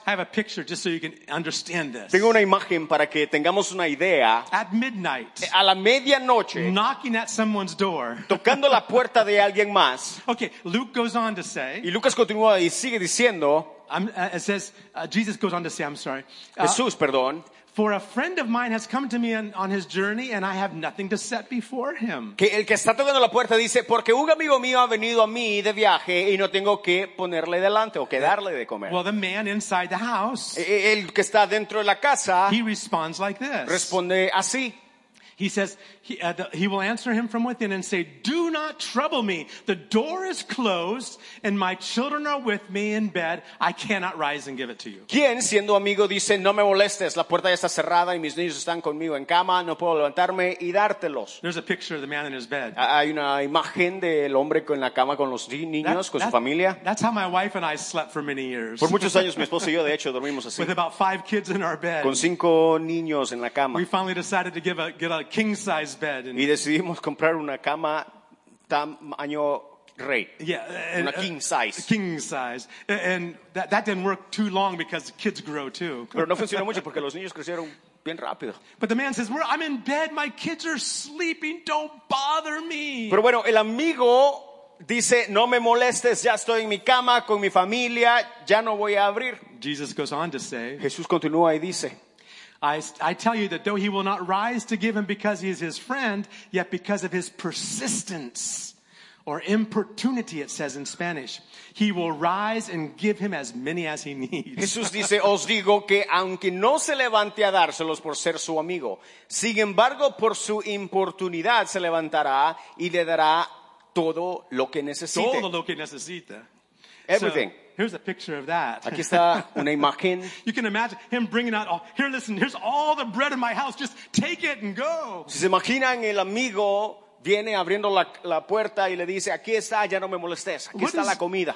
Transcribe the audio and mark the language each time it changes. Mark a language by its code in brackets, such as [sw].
[en] I have a picture just so you can understand this. [es] Tengo una imagen para que tengamos una idea. [en] At midnight. [es] A la medianoche. [en] Knocking at someone's door. [es] Tocando la puerta de alguien más. [en] Okay, Luke goes on to say. [es] Y Lucas continúa y sigue diciendo. [en] Jesus goes on to say. [es] Jesús, perdón. [en] For a friend of mine has come to me on his journey, and I have nothing to set before him. [es] Que el que está tocando la puerta dice, porque un amigo mío ha venido a mí de viaje y no tengo que ponerle delante o que darle de comer. [en] Well, the man inside the house. [es] El que está dentro de la casa. [en] He responds like this. [es] Responde así. [en] He says, he will answer him from within and say, do not trouble me. The door is closed and my children are with me in bed. I cannot rise and give it to you. [es] ¿Quién, siendo amigo, dice, no me molestes? La puerta ya está cerrada y mis niños están conmigo en cama. No puedo levantarme y dártelos. [en] There's a picture of the man in his bed. [es] Hay una imagen del hombre en la cama con los niños, con su familia. [en] That's how my wife and I slept for many years. [es] Por muchos años, mi esposo y yo, de hecho, dormimos así. [en] With about 5 kids in our bed. [es] Con 5 niños en la cama. [en] We finally decided to get a king size bed [es] and decidimos comprar una cama tamaño rey. [en] Yeah, [es] una king size. [en] King size. And that didn't work too long because kids grow too. [es] Pero no funcionó mucho porque los niños crecieron bien rápido. [en] But the man says, I'm in bed, my kids are sleeping, don't bother me. [es] Pero bueno, el amigo dice, no me molestes, ya estoy en mi cama con mi familia, ya no voy a abrir. [en] Jesus goes on to say. [es] Jesús continúa y dice, [en] I tell you that though he will not rise to give him because he is his friend, yet because of his persistence or importunity, it says in Spanish, he will rise and give him as many as he needs. [es] Jesús dice, os digo que aunque no se levante a dárselos por ser su amigo, sin embargo, por su importunidad se levantará y le dará todo lo que necesite. Todo lo que necesita. [en] Everything. So, here's a picture of that. [es] Aquí está una imagen. [en] You can imagine him bringing out, here's all the bread in my house, just take it and go. [es] Si se imaginan, el amigo viene abriendo la puerta y le dice, aquí está, ya no me molestes, aquí está la comida.